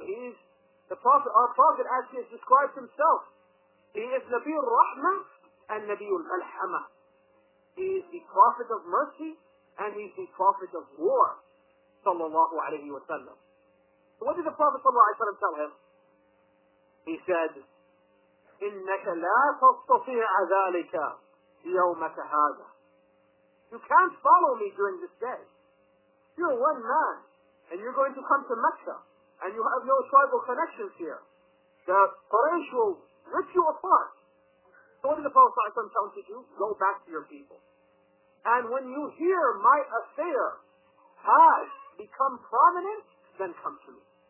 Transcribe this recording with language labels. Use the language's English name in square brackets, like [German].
[English] He is the Prophet, our Prophet, as he has described himself. He is Nabi al-Rahma and Nabi al-Malhama. He is the Prophet of mercy and he is the Prophet of war sallallahu alayhi wa sallam. So what did the Prophet sallallahu alayhi wa sallam tell him? He said, [Arabic] إِنَّكَ لَا تَسْتَطِيعَ ذَلِكَ يَوْمَكَ هَذَا. [English] You can't follow me during this day. You're one man, and you're going to come to Mecca, and you have no tribal connections here. The Quraysh will rip you apart. So what did the Prophet ﷺ tell him to do? Go back to your people. And when you hear my affair has become prominent, then come to me.